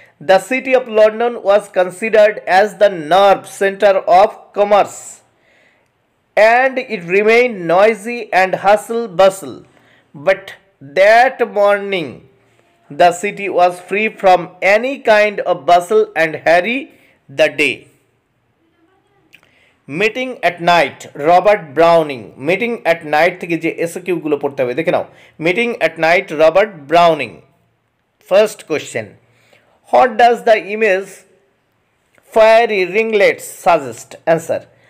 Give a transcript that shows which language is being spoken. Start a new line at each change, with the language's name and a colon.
English: The city of London was considered as the nerve center of commerce, and it remained noisy and hustle bustle. But that morning, the city was free from any kind of bustle and hurry the day. Meeting at night, Robert Browning.
Bangla: Meeting at night থেকে যে SAQ গুলো পড়তে হবে, দেখে নাও.
English: Meeting at night, Robert Browning. First question. What does the image fiery ringlets suggest? Answer.